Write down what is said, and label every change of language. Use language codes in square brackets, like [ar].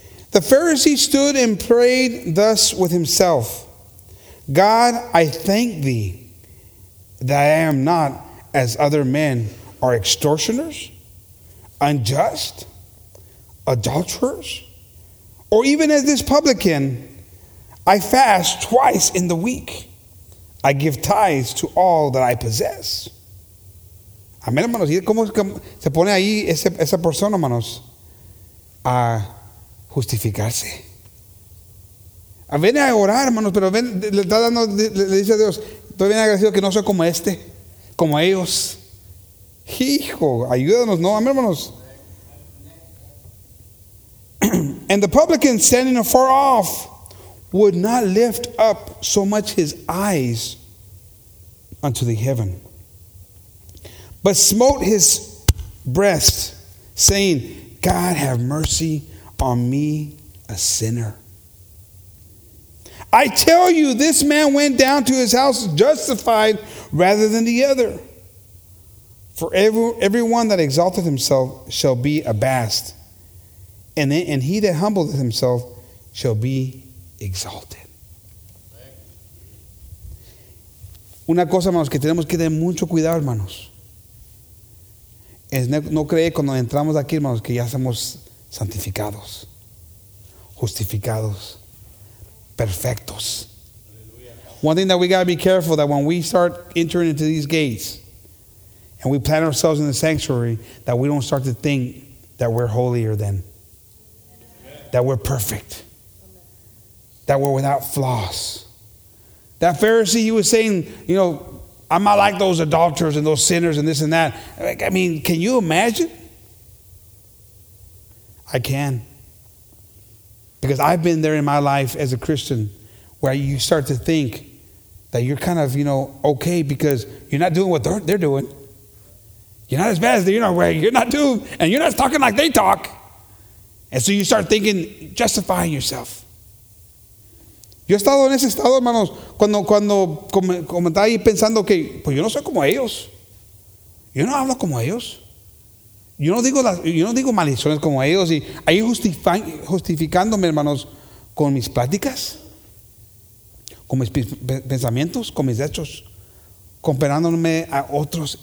[en] The Pharisee stood and prayed thus with himself, God, I thank thee that I am not as other men are extortioners, unjust, adulterers, or even as this publican, I fast twice in the week. I give tithes to all that I possess. [es] Amén, hermanos. ¿Y cómo se pone ahí esa persona, hermanos, a justificarse? A venir a orar, hermanos, pero ven, le dice a Dios, estoy bien agradecido que no soy como este. Como ellos. Hijo, ayúdanos, ¿no? Amén, hermanos. [en] And the publican, standing afar off, would not lift up so much his eyes unto the heaven, but smote his breast, saying, God, have mercy on me, a sinner. I tell you, this man went down to his house justified rather than the other. For everyone that exalteth himself shall be abased, and he that humbleth himself shall be exalted. [es] Una cosa, hermanos, que tenemos que tener mucho cuidado, hermanos, es no creer cuando entramos aquí, hermanos, que ya somos santificados, justificados, perfectos. [en] One thing that we got to be careful, that when we start entering into these gates and we plant ourselves in the sanctuary, that we don't start to think that we're holier than, that we're perfect, that we're without flaws. That Pharisee, he was saying, you know, I'm not like those adulterers and those sinners and this and that. Like, I mean, can you imagine? I can. Because I've been there in my life as a Christian where you start to think that you're kind of, you know, okay, because you're not doing what they're doing. You're not as bad as they're, you know, where you're not doing, and you're not talking like they talk. And so you start thinking, justifying yourself. [es] Yo he estado en ese estado, hermanos, cuando comentaba ahí pensando que, pues yo no soy como ellos. Yo no hablo como ellos. Yo no digo maldiciones como ellos. Y ahí justificándome, hermanos, con mis pláticas, con mis pensamientos, con mis hechos, comparándome a otros.